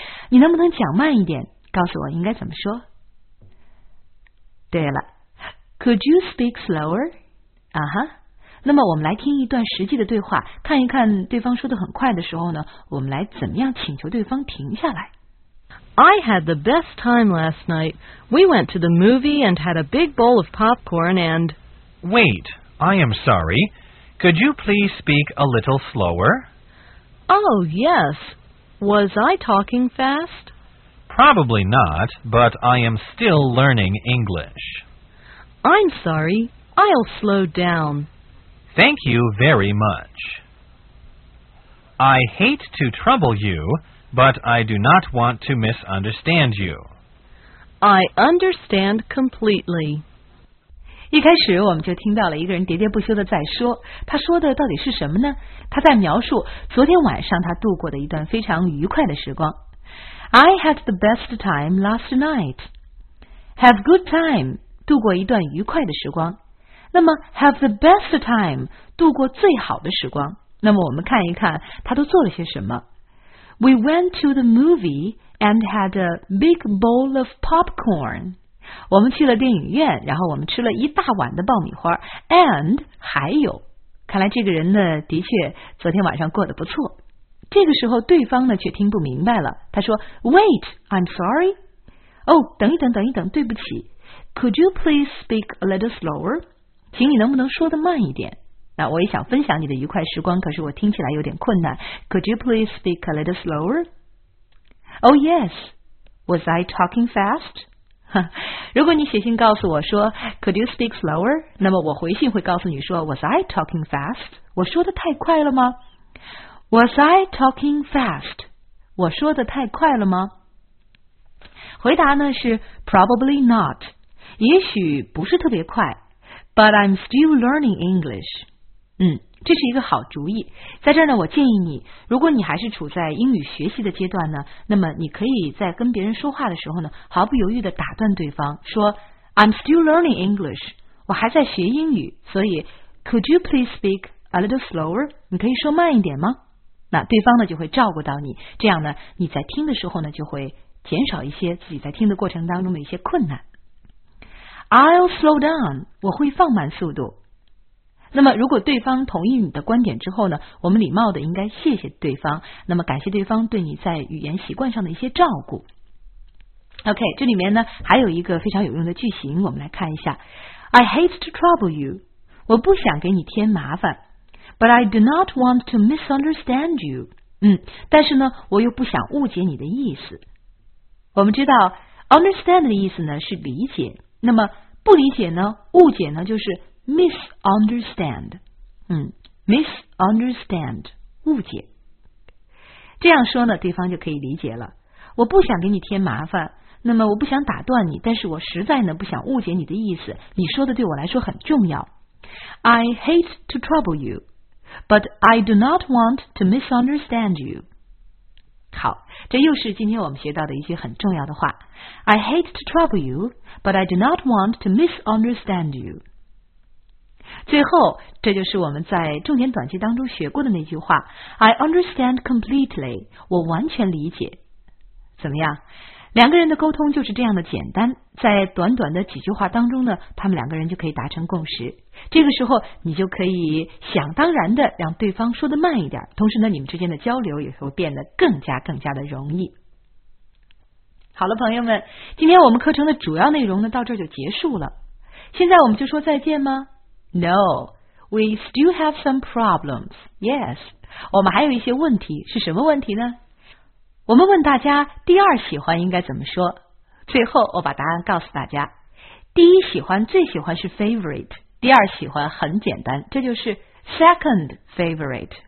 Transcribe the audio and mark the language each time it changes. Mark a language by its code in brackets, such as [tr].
[zh] 你能不能讲慢一点，告诉我应该怎么说。对了， [en] Could you speak slower? [zh] 那么我们来听一段实际的对话，看一看对方说得很快的时候呢，我们来怎么样请求对方停下来。 [en] I had the best time last night. We went to the movie and had a big bowl of popcorn and... Wait, I am sorry. Could you please speak a little slower? Oh, yes. Was I talking fast? Probably not, but I am still learning English. I'm sorry. I'll slow down. Thank you very much. I hate to trouble you, but I do not want to misunderstand you. I understand completely. [zh] 一开始我们就听到了一个人喋喋不休的在说，他说的到底是什么呢？他在描述昨天晚上他度过的一段非常愉快的时光。 [en] I had the best time last night. Have good time, [zh] 度过一段愉快的时光。那么 [en] have the best time, [zh] 度过最好的时光。那么我们看一看他都做了些什么。 [en] We went to the movie and had a big bowl of popcorn. [zh] 我们去了电影院，然后我们吃了一大碗的爆米花 and 还有，看来这个人呢的确昨天晚上过得不错。这个时候对方呢却听不明白了，他说 [en] Wait, I'm sorry. [zh] 等一等等一等，对不起。 [en] Could you please speak a little slower? [zh] 请你能不能说得慢一点。那我也想分享你的愉快时光，可是我听起来有点困难。 [en] Could you please speak a little slower? Oh yes, was I talking fast? [zh] 如果你写信告诉我说 [en] Could you speak slower? [zh] 那么我回信会告诉你说 [en] Was I talking fast? [zh] 我说的太快了吗？ [en] Was I talking fast? [zh] 我说的太快了吗？回答呢是 [en] Probably not. [zh] 也许不是特别快。 [en] But I'm still learning English. [zh] 这是一个好主意。在这儿呢，我建议你，如果你还是处在英语学习的阶段呢，那么你可以在跟别人说话的时候呢，毫不犹豫地打断对方，说 [en] I'm still learning English, [zh] 我还在学英语，所以 [en] Could you please speak a little slower? [zh] 你可以说慢一点吗？那对方呢就会照顾到你，这样呢你在听的时候呢就会减少一些自己在听的过程当中的一些困难。 [en] I'll slow down, [zh] 我会放慢速度。那么如果对方同意你的观点之后呢，我们礼貌的应该谢谢对方，那么感谢对方对你在语言习惯上的一些照顾。 OK, 这里面呢还有一个非常有用的句型，我们来看一下。 [en] I hate to trouble you, [zh] 我不想给你添麻烦。 [en] But I do not want to misunderstand you, [zh] 但是呢我又不想误解你的意思。我们知道 understand 的意思呢是理解，那么不理解呢，误解呢，就是 misunderstand。 misunderstand 误解，这样说呢，对方就可以理解了。我不想给你添麻烦，那么我不想打断你，但是我实在呢不想误解你的意思，你说的对我来说很重要。 [en] I hate to trouble you, but I do not want to misunderstand you。 [zh] 好，这又是今天我们学到的一些很重要的话。 [en] I hate to trouble you, but I do not want to misunderstand you。 [zh] 最后，这就是我们在重点短句当中学过的那句话， [en] I understand completely, [zh] 我完全理解。怎么样，两个人的沟通就是这样的简单，在短短的几句话当中呢，他们两个人就可以达成共识。这个时候你就可以想当然的让对方说得慢一点，同时呢，你们之间的交流也会变得更加的容易。好了，朋友们，今天我们课程的主要内容呢到这就结束了。现在我们就说再见吗？ [en] No, we still have some problems. [zh] Yes, 我们还有一些问题。是什么问题呢？我们问大家第二喜欢应该怎么说，最后我把答案告诉大家。第一喜欢，最喜欢是 favorite， 第二喜欢很简单，这就是 second favorite。